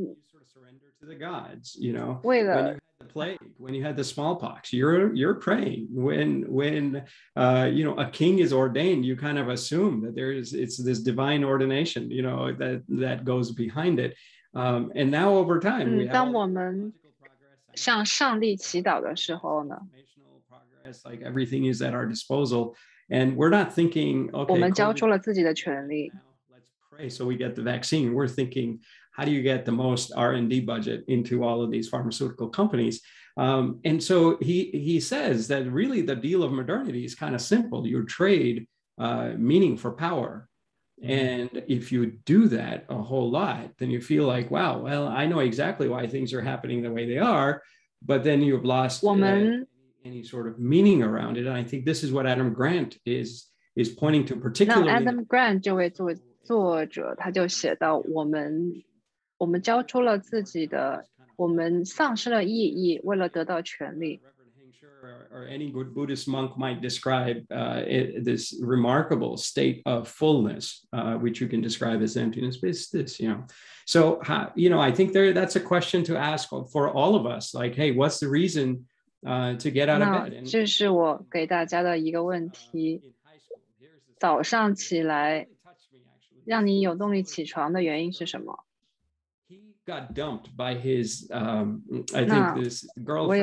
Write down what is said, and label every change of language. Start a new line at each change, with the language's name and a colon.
English: sort of surrender to the gods, you know,
Chinese: 为了
English: when you had the plague, when you had the smallpox, you're praying. When you know, a king is ordained, you kind of assume that there is, it's this divine ordination, you know, that goes behind it. And now over time, we have...
Chinese: 当我们向上帝祈祷的时候呢，
English: like everything is at our disposal, and we're not thinking, okay,
Chinese: 我们交出了自己的权利。
English: Let's pray so we get the vaccine. We're thinking, how do you get the most R&D budget into all of these pharmaceutical companies? And so he says that really the deal of modernity is kind of simple. You trade meaning for power. And if you do that a whole lot, then you feel like, wow, well, I know exactly why things are happening the way they are, but then you've lost any sort of meaning around it. And I think this is what Adam Grant is pointing to particularly.
Chinese: Adam Grant, 这位作者，他就写到我们交出了自己的我们丧失了意义，为了得到权力。
English: Or any good Buddhist monk might describe this remarkable state of fullness, which you can describe as emptiness, but it's this, you know. So, you know, I think that's a question to ask for all of us, like, hey, what's the reason to get out of bed?
Chinese: 这是我给大家的一个问题。早上起来，让你有动力起床的原因是什么？
English: Got dumped by his, I think this girlfriend.